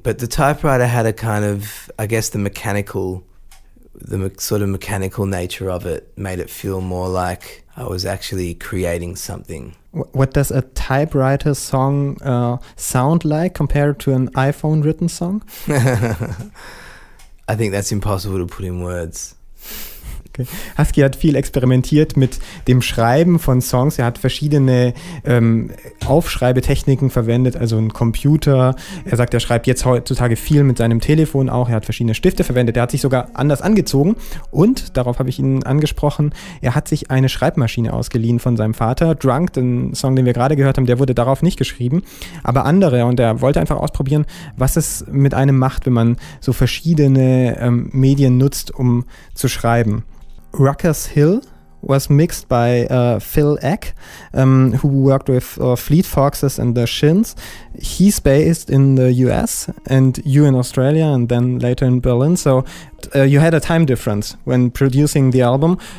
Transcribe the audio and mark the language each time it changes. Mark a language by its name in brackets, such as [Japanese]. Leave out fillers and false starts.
[English] But the typewriter had a kind of, I guess, the mechanical nature of it made it feel more like I was actually creating something. What does a typewriter song sound like compared to an iPhone written song? I think that's impossible to put in words. Okay. [German] Husky hat viel experimentiert mit dem Schreiben von Songs. Er hat verschiedene Aufschreibetechniken verwendet, also einen Computer. Er sagt, er schreibt jetzt heutzutage viel mit seinem Telefon auch. Er hat verschiedene Stifte verwendet. Er hat sich sogar anders angezogen. Und, darauf habe ich ihn angesprochen, er hat sich eine Schreibmaschine ausgeliehen von seinem Vater. Drunk, den Song, den wir gerade gehört haben, der wurde darauf nicht geschrieben. Aber andere, und er wollte einfach ausprobieren, was es mit einem macht, wenn man so verschiedene Medien nutzt, um zu schreiben. [English] Rucker's Hill was mixed by Phil Eck, who worked with Fleet Foxes and the Shins. He's based in the US and you in Australia and then later in Berlin. So you had a time difference when producing the album.